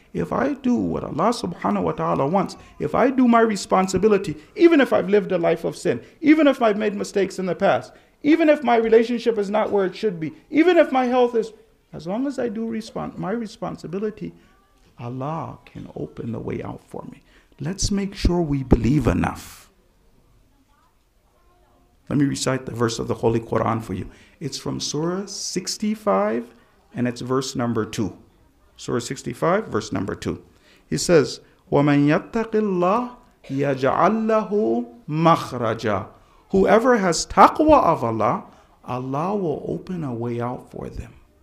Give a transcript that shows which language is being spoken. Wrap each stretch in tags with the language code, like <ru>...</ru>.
<en>If I do what Allah subhanahu wa ta'ala wants, if I do my responsibility, even if I've lived a life of sin, even if I've made mistakes in the past, even if my relationship is not where it should be, even if my health is, as long as I do my responsibility, Allah can open the way out for me. Let's make sure we believe enough. Let me recite the verse of the Holy Quran for you. It's from Surah 65, and it's verse number 2. Surah 65, verse number 2. He says,</en> <ar>وَمَنْ يَتَّقِ اللَّهِ يَجْعَلْ لَهُ مَخْرَجًا.</ar> <en>Whoever has taqwa of Allah, Allah will open a way out for them.</en>